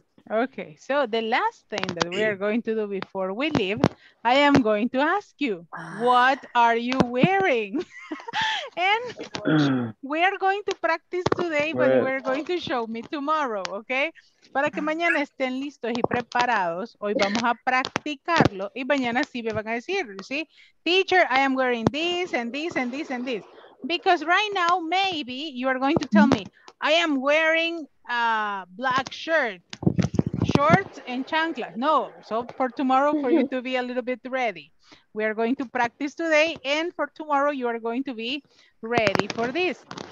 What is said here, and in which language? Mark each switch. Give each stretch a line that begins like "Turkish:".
English: Okay, so the last thing that we are going to do before we leave, I am going to ask you, what are you wearing? And we are going to practice today, but we're going to show me tomorrow, okay?
Spanish: Para que mañana estén listos y preparados, hoy vamos a practicarlo y mañana sí me van a decir, ¿sí?
English: Teacher, I am wearing this and this and this and this. Because right now, maybe you are going to tell me, I am wearing a black shirt. Shorts and chanclas. No, so for tomorrow, for you to be a little bit ready. We are going to practice today, and for tomorrow, you are going to be ready for this.